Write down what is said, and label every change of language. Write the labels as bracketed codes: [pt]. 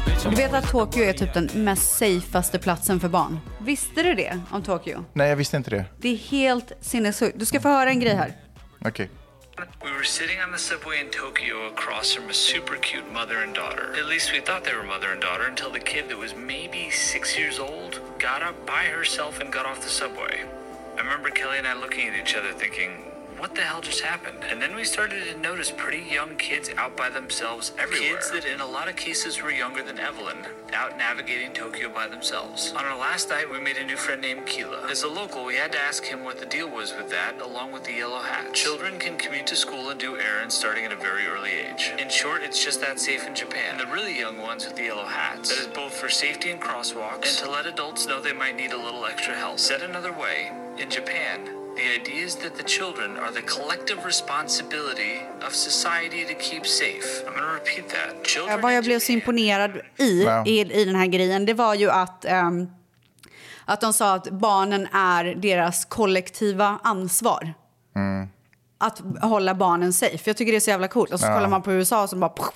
[sv] Du vet att Tokyo är typ den mest safeaste platsen för barn. Visste du det om Tokyo? Nej, jag visste inte det. Det är helt sinnessjukt. Du ska få höra en grej här. Okej. Okay. [en] We were sitting on the subway in Tokyo across from a super cute mother and daughter. At least we thought they were mother and daughter until the kid that was maybe 6 years old got up by herself and got off the subway. I remember Kelly and I looking at each other thinking, what the hell just happened? And then we started to notice pretty young kids out by themselves everywhere. Kids that in a lot of cases were younger than Evelyn, out navigating Tokyo by themselves. On our last night, we made a new friend named Kila. As a local, we had to ask him what the deal was with that, along with the yellow hat. Children can commute to school and do errands starting at a very early age. In short, it's just that safe in Japan. And the really young ones with the yellow hats. That is both for safety in crosswalks and to let adults know they might need a little extra help. Said another way, in Japan, the idea is that the children are the collective responsibility of society to keep safe. I'm going to repeat that. Children. [sv] Vad jag blev så imponerad i den här grejen, det var ju att att de sa att barnen är deras kollektiva ansvar. Mm. Att hålla barnen safe. Jag tycker det är så jävla coolt. Och så kollar man på USA som bara